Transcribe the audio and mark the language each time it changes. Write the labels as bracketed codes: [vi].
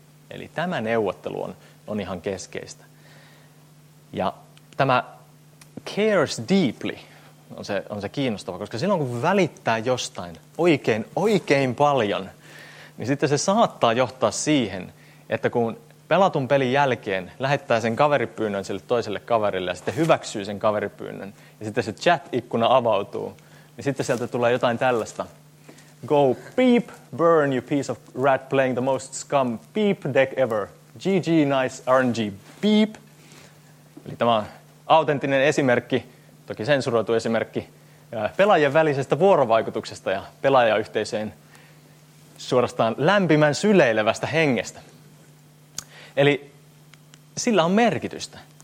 [fi] Eli tämä neuvottelu on ihan keskeistä. Ja tämä [en] cares deeply [fi] on se kiinnostava, koska silloin kun välittää jostain oikein paljon, niin sitten se saattaa johtaa siihen, että kun pelatun pelin jälkeen lähettää sen kaveripyynnön sille toiselle kaverille ja sitten hyväksyy sen kaveripyynnön ja sitten se chat-ikkuna avautuu, niin sitten sieltä tulee jotain tällaista. [en] Go beep, burn you piece of rat playing the most scum beep deck ever. GG, nice RNG, beep. [fi] Eli tämä on autenttinen esimerkki, toki sensuroitu esimerkki, pelaajien välisestä vuorovaikutuksesta ja pelaajayhteisöjen suorastaan lämpimän syleilevästä hengestä. Eli sillä on merkitystä.